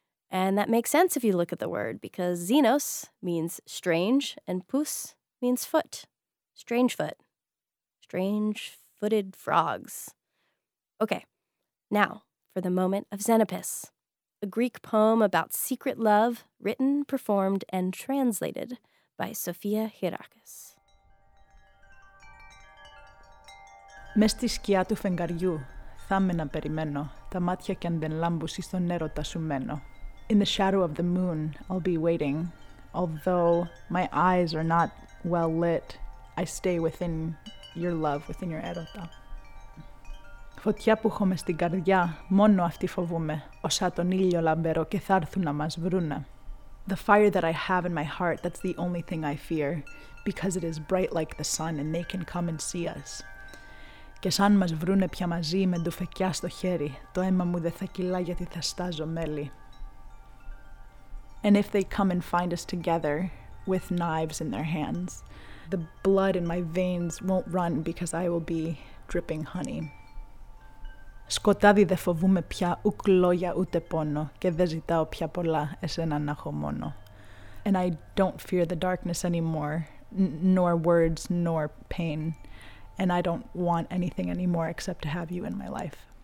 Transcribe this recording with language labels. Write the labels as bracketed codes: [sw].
[en] And that makes sense if you look at the word, because xenos means strange and pus means foot. Strange foot. Strange-footed frogs. Okay, now for the moment of Xenopus, a Greek poem about secret love written, performed, and translated by Sophia Hierakis. [el] Μες στη σκιά του φεγγαριού θα με να περιμένω τα μάτια κι αν δεν λάμπουσι στον έρωτα σου μένω. [en] In the shadow of the moon, I'll be waiting. Although my eyes are not well lit, I stay within your love, within your [el] έρωτα. Φωτιά που έχω μες στην καρδιά, μόνο αυτή φοβούμαι. Όσα τον ήλιο λαμπερώ και θα έρθουν να μας βρούνε. [en] The fire that I have in my heart, that's the only thing I fear. Because it is bright like the sun and they can come and see us. [el] Και σαν μας βρούνε πια μαζί με ντουφεκιά στο χέρι, το αίμα μου δεν θα κυλά γιατί θα στάζω μέλι. [en] And if they come and find us together with knives in their hands, the blood in my veins won't run because I will be dripping honey. [el] Σκοτάδι δε φοβούμαι πια ούκ λόγια ούτε πόνο και δε ζητάω πια πολλά εσένα να έχω μόνο. [en] And I don't fear the darkness anymore, nor words nor pain. And I don't want anything anymore except to have you in my life.